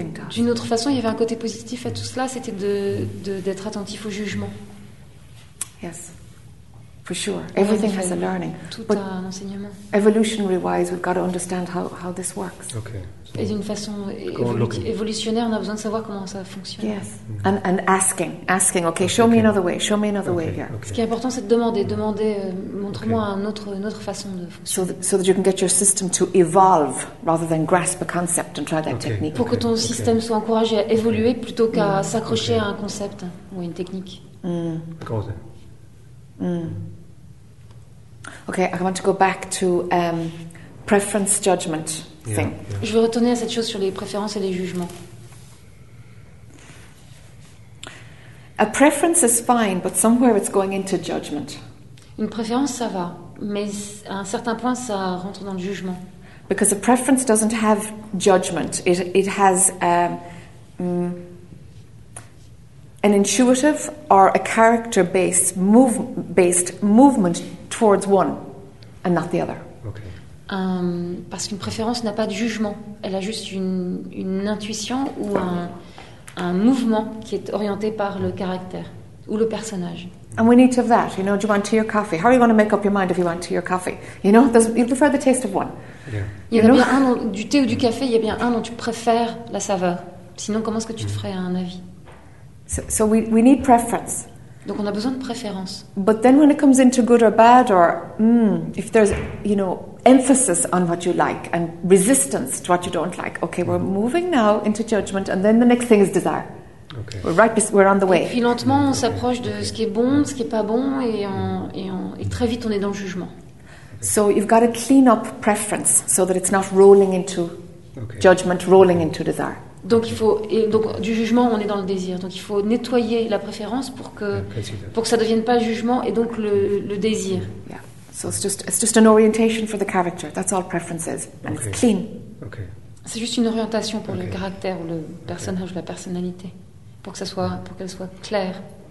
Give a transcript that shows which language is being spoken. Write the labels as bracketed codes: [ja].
[fr] D'une autre façon, il y avait un côté positif à tout cela, c'était d'être attentif au jugement. [en] Yes, for sure. Everything has a learning. [fr] Tout but un enseignement. [en] Evolutionary wise, we've got to understand how this works. Okay. [fr] So et d'une façon évolutionnaire, on a besoin de savoir comment ça fonctionne. [en] Yes. And asking. Okay. Show me another way. Show me another way here. [fr] Ce qui est important, c'est de demander. Montre-moi une autre façon de fonctionner. [en] So that you can get your system to evolve rather than grasp a concept and try that technique. [fr] Pour que ton système soit encouragé à évoluer plutôt qu'à s'accrocher à un concept ou à une technique. [en] Okay, I want to go back to preference judgment thing. Yeah, [fr] yeah. Je veux retourner à cette chose sur les préférences et les jugements. [en] A preference is fine, but somewhere it's going into judgment. [fr] Une préférence, ça va, mais à un certain point, ça rentre dans le jugement. [en] Because a preference doesn't have judgment. It has an intuitive or a character based movement towards one and not the other. [fr] Parce qu'une préférence n'a pas de jugement. Elle a juste une intuition ou un mouvement qui est orienté par le caractère ou le personnage. [en] And we need to have that. You know, do you want tea or coffee? How are you going to make up your mind if you want tea or coffee? You know, you prefer the taste of one. Yeah. [fr] Du thé ou du café, il y a bien un dont tu préfères la saveur. Sinon, comment est-ce que tu te ferais un avis? [en] So we need preference. [fr] Donc on a besoin de préférence. [en] But then when it comes into good or bad or if there's, you know, emphasis on what you like and resistance to what you don't like. Okay, we're moving now into judgment and then the next thing is desire. Okay. We're on the way. [fr] Et puis lentement on s'approche de ce qui est bon, de ce qui est pas bon et très vite on est dans le jugement. [en] So you've got to clean up preference so that it's not rolling into judgment, rolling into desire. [fr] Donc il faut du jugement on est dans le désir. Donc il faut nettoyer la préférence pour que ça devienne pas le jugement et donc le désir. [en] Yeah. So it's just an orientation for the character. That's all preference is. And it's clean. Okay. [fr] C'est juste une orientation pour le caractère ou le personnage ou la personnalité pour qu'elle soit claire.